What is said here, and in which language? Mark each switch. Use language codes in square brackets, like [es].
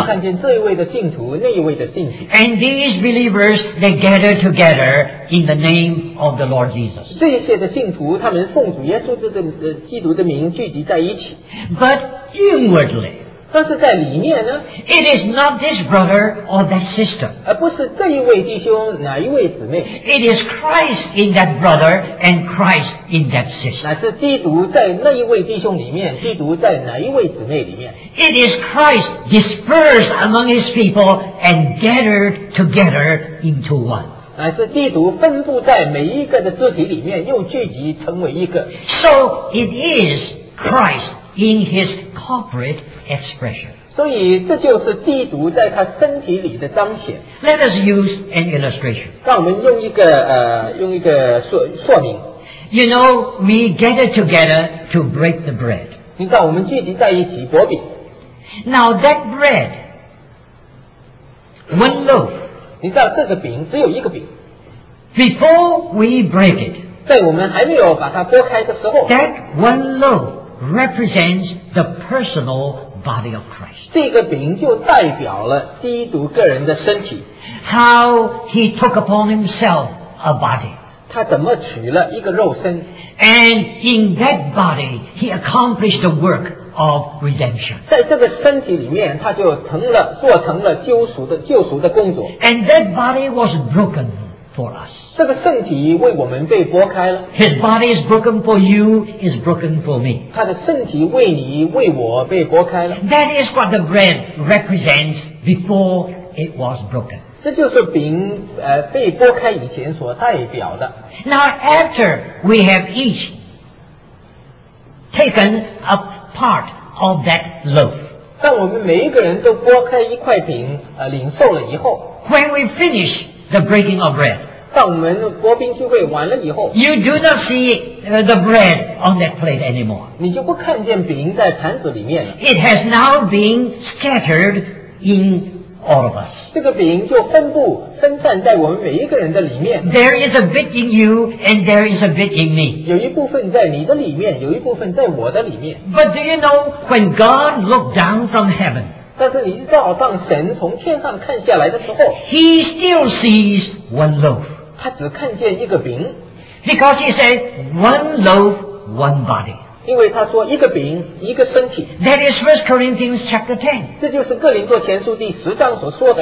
[zh] 你看见这一位的信徒那一位的信徒。 [en] And these believers, they gather together in the name of the Lord Jesus. [zh] 这些的信徒他们奉主耶稣基督的名聚集在一起。 [en] But inwardly, [zh] 但是在里面呢 [en] ，It is not this brother or that sister， [zh] 而不是这一位弟兄哪一位姊妹。 [en] It is Christ in that brother and Christ in that sister， [zh] 乃是基督在那一位弟兄里面，基督在哪一位姊妹里面。 [en] It is Christ dispersed among his people and gathered together into one。 [zh] 乃是基督分布在每一个的肢体里面，又聚集成为一个。 [en] So it is Christ in his corporate expression. [zh] 所以这就是基督在他身体里的彰显。 [en] Let us use an illustration. [zh] 让我们用一个用一个说明。 [en] You know, we gather together to break the bread. [zh] 你知道我们聚集在一起擘饼。 [en] Now that bread, one loaf. [zh] 你知道这个饼只有一个饼。 [en] Before we break it, [zh] 在我们还没有把它拨开的时候， [en] that one loaf represents the personal body of Christ. [zh] 这个饼就代表了基督个人的身体。 [en] How he took upon himself a body. [zh] 他怎么取了一个肉身？ [en] And in that body, he accomplished the work of redemption. [zh] 在这个身体里面，他就成了，做成了救赎的工作。 [en] And that body was broken for us. [zh] 这个身体为我们被剥开了。 [en] His body is broken for you, is broken for me. [zh] 他的身体为你，为我被剥开了。 [en] That is what the bread represents before it was broken. [zh] 这就是饼被剥开以前所代表的。 [en] Now after we have each taken a part of that loaf. [zh] 当我们每一个人都剥开一块饼领受了以后， [en] When we finish the breaking of bread, [zh] 当我们剥饼聚会完了以后， [en] You do not see the bread on that plate anymore. [zh] 你就不看见饼在盘子里面了。 [en] It has now been scattered in all of us. [zh] 这个饼就分散在我们每一个人的里面。 [en] There is a bit in you and there is a bit in me. [zh] 有一部分在你的里面，有一部分在我的里面。 [en] But do you know, when God looked down from heaven, [zh] 但是你知道当神从天上看下来的时候， [en] He still sees one loaf. [zh] 他只看见一个饼。 [en] Because he said, one loaf, one body. [zh] 因为他说一个饼一个身体。 [en] That is 1 Corinthians chapter 10. [zh] 这就是哥林多前书第十章所说的。